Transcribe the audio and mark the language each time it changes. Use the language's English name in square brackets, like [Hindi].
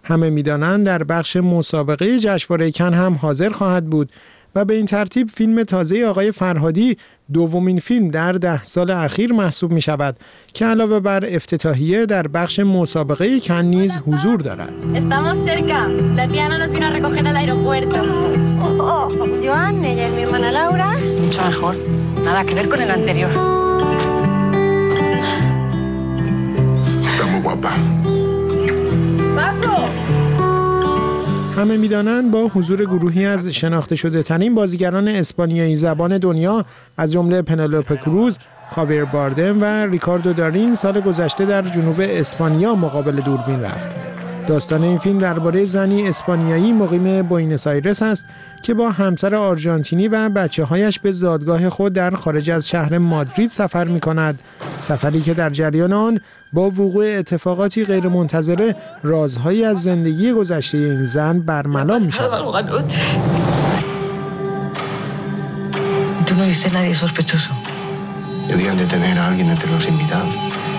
[Persian] همه می‌دانند در بخش مسابقه جشنواره کن هم حاضر خواهد بود و به این ترتیب فیلم تازه آقای فرهادی دومین فیلم در 10 اخیر محسوب می شود که علاوه بر افتتاحیه در بخش مسابقه کن نیز حضور دارد. [Spanish] Estamos cerca. La Diana nos vino a recoger al aeropuerto. Joan, ella es mi hermana Laura. Mucho mejor. Nada que ver con el anterior. Está muy guapa. Pablo. [Persian] همه می‌دانند با حضور گروهی از شناخته شده‌ترین بازیگران اسپانیایی زبان دنیا از جمله پنلوپ کروز، خاویر باردم و ریکاردو دارین سال گذشته در جنوب اسپانیا مقابل دوربین رفت. داستان این فیلم درباره زنی اسپانیایی مقیم بوئنوس آیرس است که با همسر آرژانتینی و بچه‌هایش به زادگاه خود در خارج از شهر مادرید سفر می‌کند. سفری که در جریان آن با وقوع اتفاقاتی غیرمنتظره رازهایی از زندگی گذشته این زن برملا می‌شود. [Spanish] Tú no viste nadie sospechoso. Debían de tener a alguien entre los invitados.